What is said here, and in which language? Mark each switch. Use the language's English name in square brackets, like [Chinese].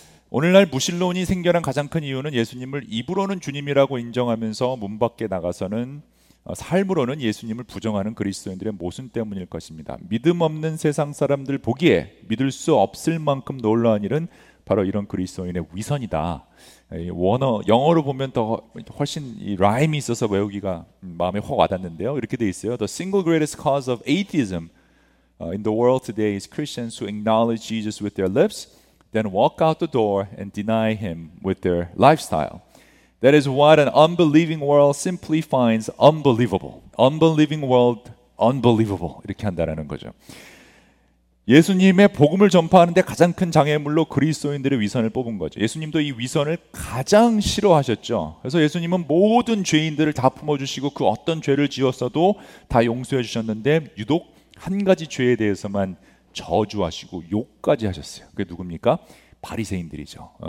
[Korean] 오늘날 무신론이 생겨난 가장 큰 이유는 예수님을 입으로는 주님이라고 인정하면서 문 밖에 나가서는 삶으로는 예수님을 부정하는 그리스도인들의 모순 때문일 것입니다. 믿음 없는 세상 사람들 보기에 믿을 수 없을 만큼 놀라운 일은 바로 이런 그리스도인의 위선이다. 원어 영어로 보면 더 훨씬 이 라임이 있어서 외우기가 마음에 확 와닿는데요. 이렇게 돼 있어요. [English] The single greatest cause of atheism in the world today is Christians who acknowledge Jesus with their lips, then walk out the door and deny him with their lifestyle. That is what an unbelieving world simply finds unbelievable. Unbelieving world, unbelievable. [Korean] 이렇게 한다라는 거죠. 예수님의 복음을 전파하는 데 가장 큰 장애물로 그리스도인들의 위선을 뽑은 거죠. 예수님도 이 위선을 가장 싫어하셨죠. 그래서 예수님은 모든 죄인들을 다 품어주시고 그 어떤 죄를 지었어도 다 용서해 주셨는데 유독 한 가지 죄에 대해서만 저주하시고 욕까지 하셨어요. 그게 누굽니까? 바리새인들이죠.